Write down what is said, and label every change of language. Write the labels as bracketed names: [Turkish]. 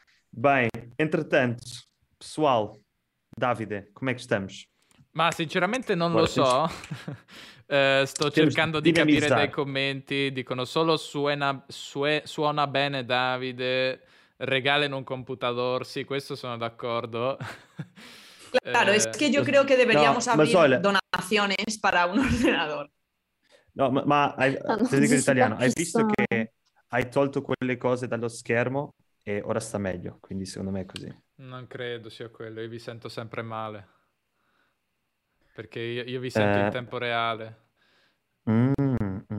[Spanish] Bien, entretanto, pessoal, Davide, ¿cómo estamos? [Italian] Ma sinceramente non lo so. Sto cercando di capire dai commenti. Dicono solo suona bene Davide, [Spanish] regalen un computador. [Italian] Sì, questo sono d'accordo. [Spanish] Claro, es que yo creo que deberíamos abrir donaciones para un ordenador. [Italian] No, ma te dico in italiano. Hai visto che hai tolto quelle cose dallo schermo e ora sta meglio, quindi secondo me è così. Non credo sia quello, io vi sento sempre male. Perché io vi sento in tempo reale. Mm,